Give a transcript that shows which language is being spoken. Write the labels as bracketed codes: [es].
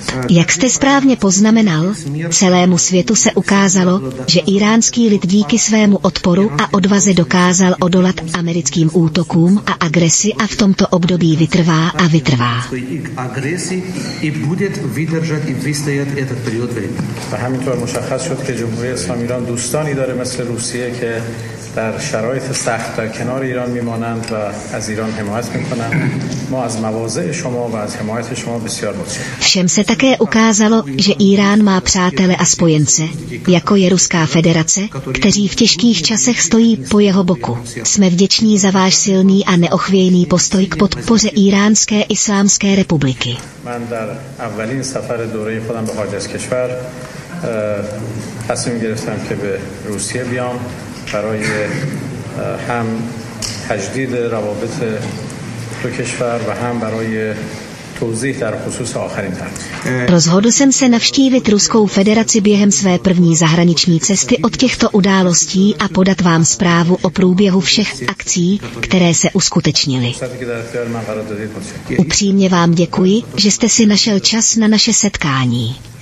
[cs] Jak jste správně poznamenal, celému světu se ukázalo, že iránský lid díky svému odporu a odvaze dokázal odolat americkým útokům a agresi a v tomto období vytrvá a vytrvá. [fa] در شرایط سخت در کنار ایران میمانند و از ایران حمایت میکنند ما از مواضع شما و از حمایت شما بسیار متشکرم. [cs] Všem se také ukázalo, že Irán má přátele a spojence, jako je Ruská federace, kteří v těžkých časech stojí po jeho boku. Jsme vděční za váš silný a neochvějný postoj k podpoře Iránské islámské republiky. [fa] من در اولین سفر دوره خودم به خارج از کشور تصمیم گرفتم که به روسیه بیام برای هم تجدید روابط دو کشور و هم برای توضیح در خصوص آخرین تحقیق. [cs] Rozhodl jsem se navštívit Ruskou federaci během své první zahraniční cesty od těchto událostí a podat vám zprávu o průběhu všech akcí, které se uskutečnily. Upřímně vám děkuji, že jste si našel čas na naše setkání.